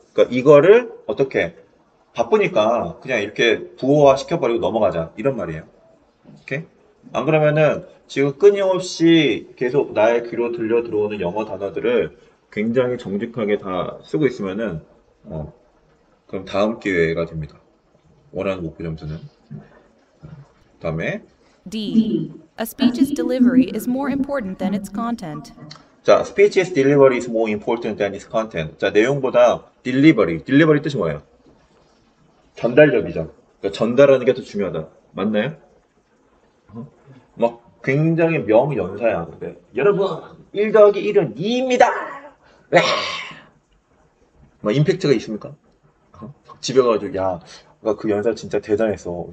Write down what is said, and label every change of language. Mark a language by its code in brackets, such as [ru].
[ko] 그러니까 이거를 어떻게 바쁘니까 그냥 이렇게 부호화 시켜버리고 넘어가자 이런 말이에요. 오케이? 안 그러면은 지금 끊임없이 계속 나의 귀로 들려 들어오는 영어 단어들을 굉장히 정직하게 다 쓰고 있으면은 그럼 다음 기회가 됩니다. 원하는 목표 점수는. 다음에 D. [en] A speech's delivery is more important than its content. 자, speech's delivery is more important than its content. [ko] 자, 내용보다 delivery 뜻이 뭐예요? 전달력이죠. 그러니까 전달하는 게더 중요하다. 맞나요? 막 굉장히 명연사야. 근데 여러분, 1 더하기 1은 2입니다. 막 임팩트가 있습니까? 집에 가가지고, 야, 아까 그 연사 진짜 대단했어.